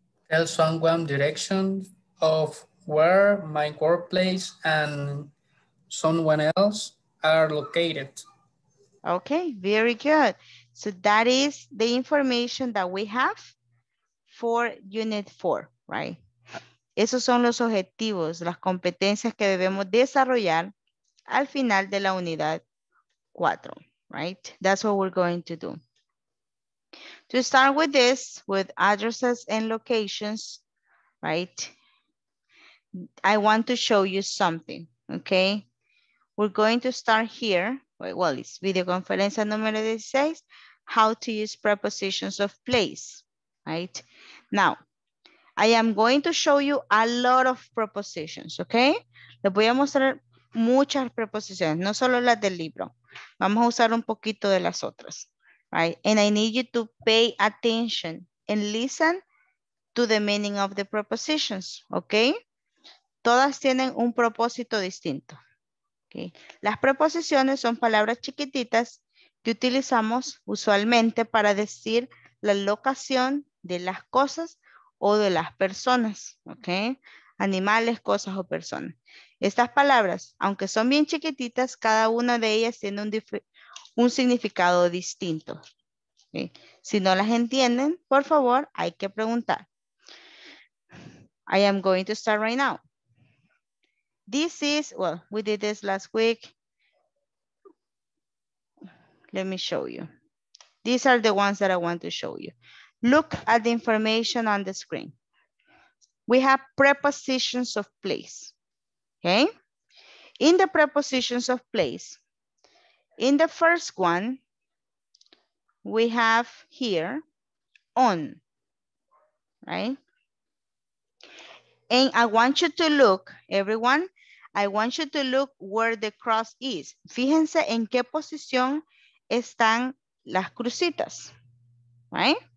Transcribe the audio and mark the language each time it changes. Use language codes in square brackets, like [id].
[en] Tell someone direction of where my workplace and someone else are located. Okay, very good. So that is the information that we have for unit 4, right? [es] Esos son los objetivos, las competencias que debemos desarrollar al final de la unidad 4, right? [en] That's what we're going to do. To start with this, with addresses and locations, right? I want to show you something, okay? We're going to start here. Well, it's [es] video conferencia número 16, [en] how to use prepositions of place, right? Now, I am going to show you a lot of prepositions, okay? [es] Les voy a mostrar muchas preposiciones, no solo las del libro. Vamos a usar un poquito de las otras, right? [en] And I need you to pay attention and listen to the meaning of the prepositions, okay? [es] Todas tienen un propósito distinto, okay? Las preposiciones son palabras chiquititas que utilizamos usualmente para decir la locación de las cosas o de las personas, okay? Animales, cosas o personas. Estas palabras, aunque son bien chiquititas, cada una de ellas tiene un significado distinto. ¿Sí? Si no las entienden, por favor, hay que preguntar. [en] I am going to start right now. This is, well, we did this last week. Let me show you. These are the ones that I want to show you. Look at the information on the screen. We have prepositions of place. Okay, in the prepositions of place, in the first one, we have here on, right? And I want you to look, everyone, I want you to look where the cross is. [es] Fíjense en qué posición están las crucitas, right?